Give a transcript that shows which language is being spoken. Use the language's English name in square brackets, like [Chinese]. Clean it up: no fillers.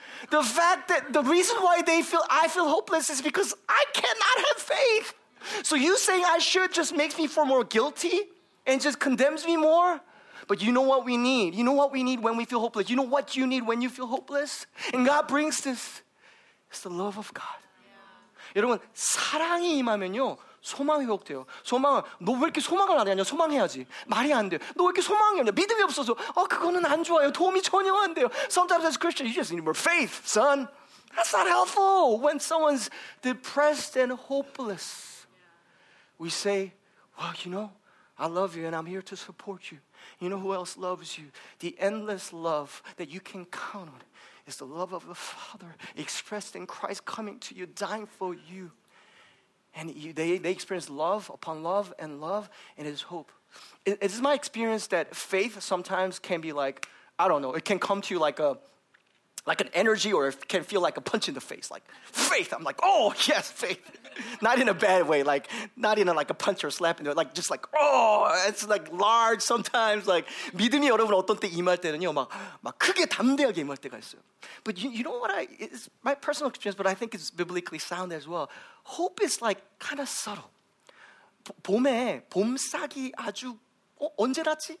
[English] The fact that the reason why I feel hopeless is because I cannot have faith. So you saying I should just makes me feel more guilty and just condemns me more. But you know what we need? You know what we need when we feel hopeless? You know what you need when you feel hopeless? And God brings this. It's the love of God. Yeah. [Korean] 여러분, 사랑이 임하면요, 소망이 회복돼요. 소망은, 너 왜 이렇게 소망을 안 하냐? 소망해야지. 말이 안 돼요. 너 왜 이렇게 소망이 없냐? 믿음이 없어서. 어, 그거는 안 좋아요. 도움이 전혀 안 돼요. [English] Sometimes as Christians, you just need more faith, son. That's not helpful. When someone's depressed and hopeless, we say, well, you know, I love you and I'm here to support you. You know who else loves you? The endless love that you can count on is the love of the Father expressed in Christ coming to you, dying for you. And they experience love upon love, and love, and it is hope. It is my experience that faith sometimes can be like, I don't know, it can come to you like an energy, or it can feel like a punch in the face. Like, faith. I'm like, oh, yes, faith. Not in a bad way. Like, not in a, like a punch or slap. Like, just like, oh, it's like large sometimes. [Korean] Like, 믿음이 여러분 어떤 때 임할 때는요, 막 크게 담대하게 임할 때가 있어요. [English] But you know what it's my personal experience, but I think it's biblically sound as well. Hope is like kind of subtle. [Korean] 봄에 봄싹이 아주, 언제라지?